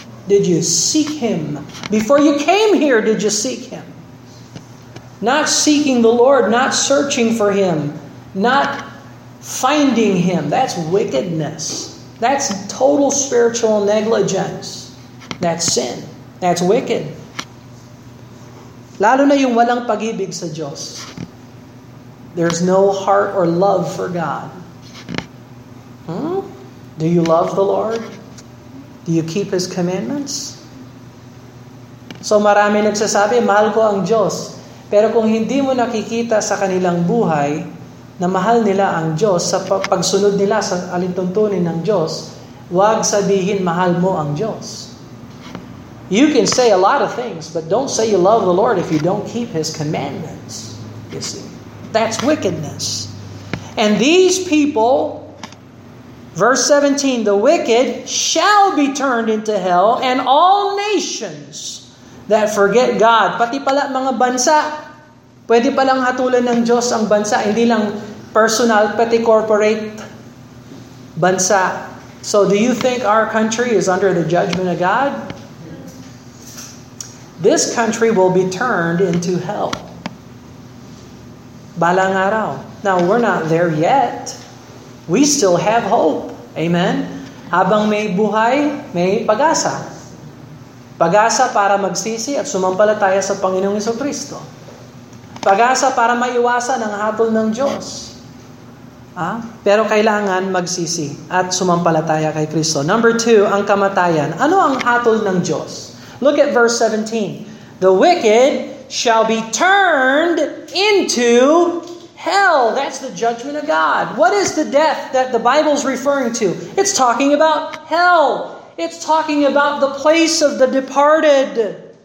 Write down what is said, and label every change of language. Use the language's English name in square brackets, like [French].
[English] Did you seek Him? Before you came here, did you seek Him? Not seeking the Lord, not searching for Him, not finding Him. That's wickedness. That's total spiritual negligence. That's sin. That's wicked. [Filipino] Lalo na yung walang pag-ibig sa Diyos. [English] There's no heart or love for God. Do you love the Lord? Do you keep His commandments? [Filipino] So marami nagsasabi, mahal ko ang Diyos. Pero kung hindi mo nakikita sa kanilang buhay na mahal nila ang Diyos sa pagsunod nila sa alintuntunin ng Diyos, huwag sabihin mahal mo ang Diyos. [English] You can say a lot of things, but don't say you love the Lord if you don't keep His commandments. You see? That's wickedness. And these people, verse 17, the wicked shall be turned into hell, and all nations that forget God. [Filipino] Pati pala mga bansa, pwede palang hatulan ng Diyos ang bansa, hindi lang personal, pati corporate bansa. [English] So do you think our country is under the judgment of God? This country will be turned into hell. [Filipino] Balang araw. [English] Now, we're not there yet. We still have hope. Amen? [Filipino] Habang may buhay, may pag-asa. Pag-asa para magsisi at sumampalataya sa Panginoong Jesucristo. Pag-asa para maiwasan ang hatol ng Diyos. Ah? Pero kailangan magsisi at sumampalataya kay Kristo. Number two, ang kamatayan. Ano ang hatol ng Diyos? [English] Look at verse 17. The wicked shall be turned into hell. That's the judgment of God. What is the death that the Bible's referring to? It's talking about hell. It's talking about the place of the departed.